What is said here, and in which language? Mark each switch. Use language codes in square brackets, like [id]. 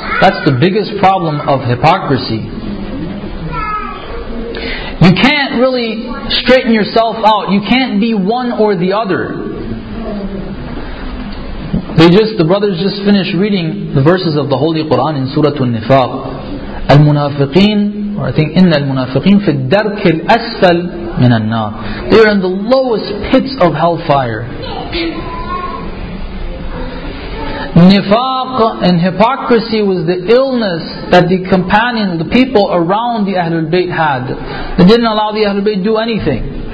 [en] That's the biggest problem of hypocrisy. You can't really straighten yourself out. You can't be one or the other. The brothers just finished reading the verses of the Holy Quran in Surah Al-Nifaq. Al-Munafiqeen, or I think, [ar] إِنَّ الْمُنَافِقِينَ فِي الدَّرْكِ الْأَسْفَلِ مِنَ النَّارِ. [en] They are in the lowest pits of hellfire. Nifaq and hypocrisy was the illness that the companion, the people around the Ahlul Bayt had. They didn't allow the Ahlul Bayt to do anything.